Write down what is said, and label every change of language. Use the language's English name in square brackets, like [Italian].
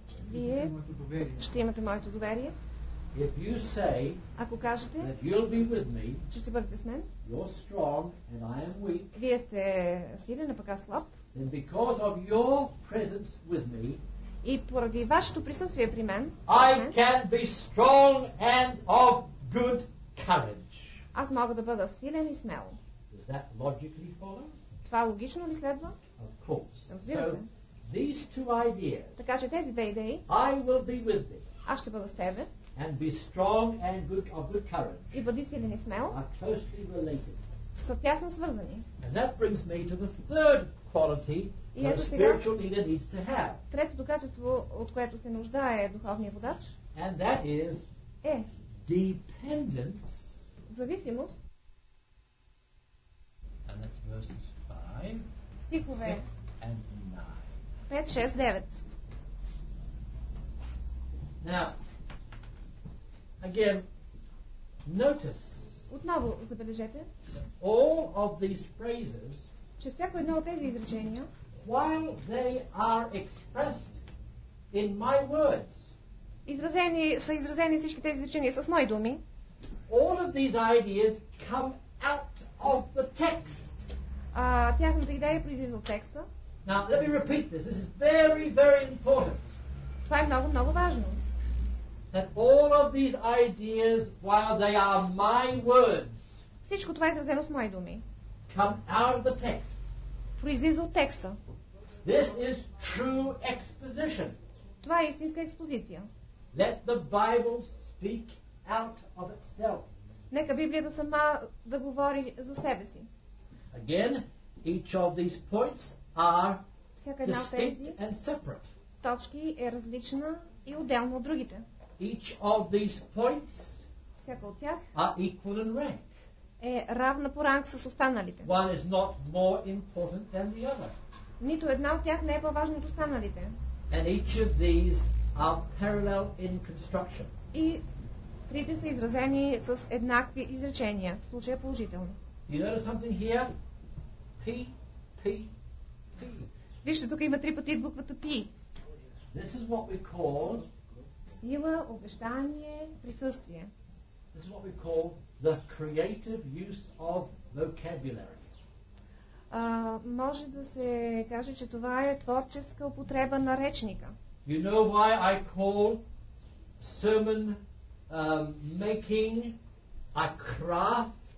[Bulgarian] Вие ще имате моето доверие. [English] If you say, [Bulgarian] ако кажете, [English] that you'll be with me, [Bulgarian] че ще бъдете с мен, [English] you're strong and I am weak, [Bulgarian] вие сте силен, а пък аз слаб, [English] then because of your presence with me, [Bulgarian] и поради вашето присъствие при мен, [English] I can be strong and of good courage. [Bulgarian] Аз мога да бъда силен и смел. [English] Does that logically follow? [Bulgarian] Това логично ли следва? [English] Of course. [Bulgarian] Разбира се. [English] These two ideas, [Bulgarian] така че тези две идеи, [English] I will be with thee, [Bulgarian] аз ще бъда с тебе, [English] and be strong and good of good courage, [Bulgarian] и бъди силен и смел, [English] are closely related, [Bulgarian] са тясно свързани. [English] And that brings me to the third quality that a spiritual leader needs to have. [Bulgarian] Третото качество, от което се нуждае духовният водач, [English] and that is, [Bulgarian] е [English] dependence, [Bulgarian] зависимост. [English] And that's verses 5, [Bulgarian] стихове [English] 6 and 9. 5, 6, 9. Now, again, notice. [Bulgarian] Отново забележете. [English] All of these phrases, [Bulgarian] че всяко едно от тези изречения, [English] while they are expressed in my words, [Bulgarian] са изразени всички тези изречения с мои думи. [English] All of these ideas come out of the text. [Bulgarian] Тяхната идея произлиза от текста. [English] Now, let me repeat this. This is very, very important. [Bulgarian] Това е много, много важно. [English] That all of these ideas, while they are my words, [Bulgarian] всичко това е изразено с мои думи, [English] come out of the text. [Bulgarian] Произлиза от текста. [English] This is true exposition. [Bulgarian] Това е истинска експозиция. [English] Let the Bible speak out of itself. [Bulgarian] Нека Библията сама да говори за себе си. [English] Again, each of these points are distinct and separate. [Bulgarian] Точки е различна и отделно от другите. [English] Each of these points, [Bulgarian] всяка от тях, [English] are equal in rank. [Bulgarian] Е равна по ранг с останалите. [English] One is not more important than the other. [Bulgarian] Нито една от тях не е по-важна от останалите. [English] And each of these are parallel in construction. [Bulgarian] И трите са изразени с еднакви изречения, в случая положително. [English] You notice something here? P, P, P. [Bulgarian] Вижте, тук има три пъти буквата P. [English] This is what we call [Bulgarian] сила, обещание, присъствие. [English] This is what we call the creative use of vocabulary. [Bulgarian] Може да се каже, че това е творческа употреба на речника. [English] You know why I call sermon making a craft?